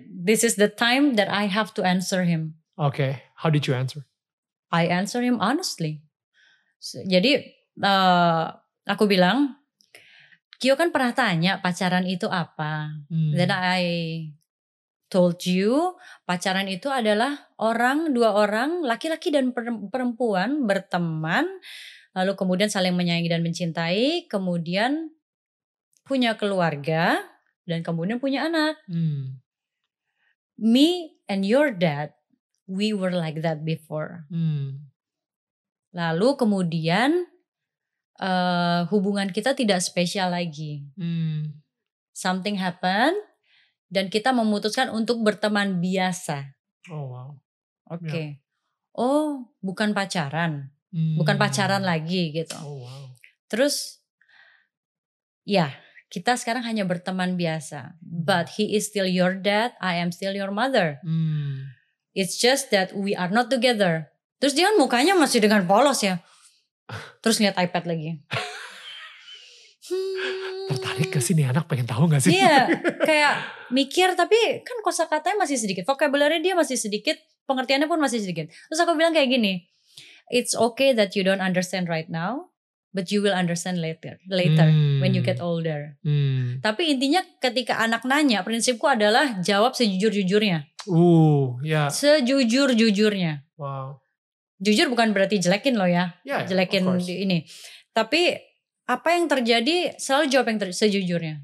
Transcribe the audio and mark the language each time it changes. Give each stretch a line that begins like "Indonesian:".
English: This is the time that I have to answer him. Okay, how did you answer? I answer him honestly.
Indonesian: Jadi aku bilang, Kyo kan pernah tanya pacaran itu apa.
English: Then I told you,
Indonesian: pacaran itu adalah orang, dua orang, laki-laki dan perempuan berteman, lalu kemudian saling menyayangi dan mencintai, kemudian punya keluarga, dan kemudian punya anak.
English: Me and your dad, we were like that before.
Indonesian: Lalu kemudian hubungan kita tidak spesial lagi.
English: Something happened.
Indonesian: Dan kita memutuskan untuk berteman biasa.
English: Oh wow.
Indonesian: Oke. Yeah. Oh, bukan pacaran. Bukan pacaran lagi gitu.
English: Oh wow.
Indonesian: Terus, ya kita sekarang hanya berteman biasa.
English: But he is still your dad, I am still your mother. It's just that we are not together.
Indonesian: Terus dia kan mukanya masih dengan polos ya. Terus lihat iPad lagi. Tertarik gak sih nih anak, pengen tahu gak sih? Iya, kayak mikir, tapi kan kosa katanya masih sedikit, vocabulary dia masih sedikit, pengertiannya pun masih sedikit. Terus aku bilang kayak gini,
English: it's okay that you don't understand right now, but you will understand later when you get older.
Indonesian: Tapi intinya ketika anak nanya, prinsipku adalah jawab sejujur-jujurnya. Sejujur-jujurnya.
English: Wow.
Indonesian: Jujur bukan berarti jelekin lo ya. Jelekin ini. Tapi apa yang terjadi, selalu jawab yang sejujurnya.